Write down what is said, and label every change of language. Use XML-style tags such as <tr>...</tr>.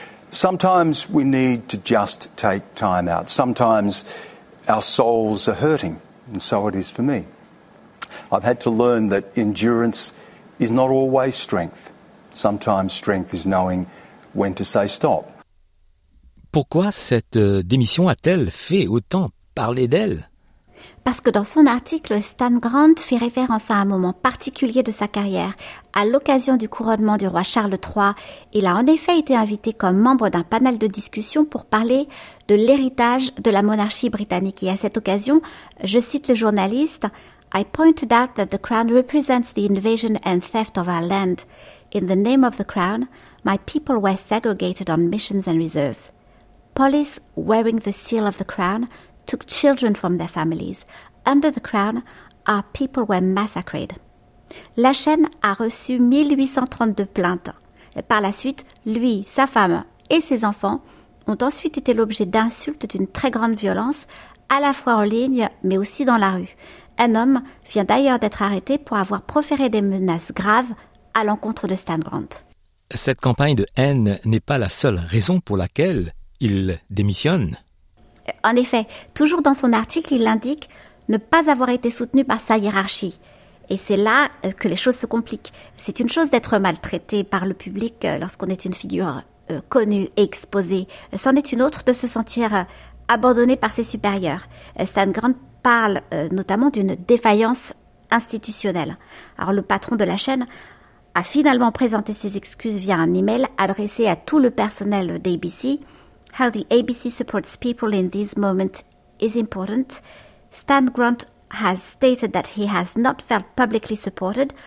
<en>Sometimes we need to just take time out. Sometimes our souls are hurting, and so it is for me. I've had to learn that endurance is not always strength. Sometimes strength is knowing when to say stop.</en> <fr>Pourquoi cette démission a-t-elle fait autant parler d'elle? Parce que dans son article, Stan Grant fait référence à un moment particulier de sa carrière. À l'occasion du couronnement du roi Charles III, il a en effet été invité comme membre d'un panel de discussion pour parler de l'héritage de la monarchie britannique. Et à cette occasion, je cite le journaliste,</fr> <en>« I pointed out that the crown represents the invasion and theft of our land. In the name of the crown, my people were segregated on missions and reserves. Police wearing the seal of the crown took children from their families. Under the crown, our people were massacred. »</en> <fr>La chaîne a reçu 1832 plaintes. Et par la suite, lui, sa femme et ses enfants ont ensuite été l'objet d'insultes d'une très grande violence, à la fois en ligne, mais aussi dans la rue. Un homme vient d'ailleurs d'être arrêté pour avoir proféré des menaces graves à l'encontre de Stan Grant. Cette campagne de haine n'est pas la seule raison pour laquelle il démissionne. En effet, toujours dans son article, il indique ne pas avoir été soutenu par sa hiérarchie. Et c'est là que les choses se compliquent. C'est une chose d'être maltraité par le public lorsqu'on est une figure connue et exposée. C'en est une autre de se sentir abandonné par ses supérieurs. Stan Grant parle notamment d'une défaillance institutionnelle. Alors le patron de la chaîne a finalement présenté ses excuses via un email adressé à tout le personnel d'ABC.</fr> <en>How the ABC supports people in these moments is important. Stan Grant has stated that he has not felt publicly supported.</en>